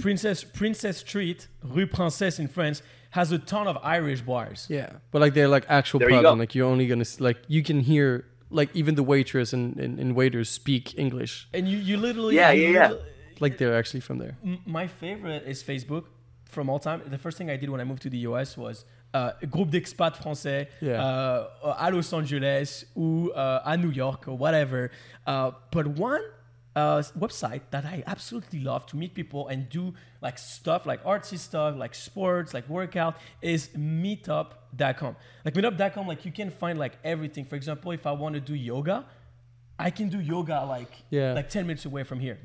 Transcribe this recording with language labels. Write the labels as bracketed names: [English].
[English] Princess Street, Rue Princesse in France has a ton of Irish bars. Yeah, but like they're like actual pubs, and like you're only gonna like you can hear like even the waitress and waiters speak English. And you literally like they're actually from there. My favorite is Facebook from all time. The first thing I did when I moved to the US was. [French] Groupe d'expats français à Los Angeles ou à New York [English] or whatever. But one website that I absolutely love to meet people and do like stuff like artsy stuff, like sports, like workout is meetup.com. Like meetup.com, like you can find like everything. For example, if I want to do yoga, I can do yoga like 10 minutes away from here.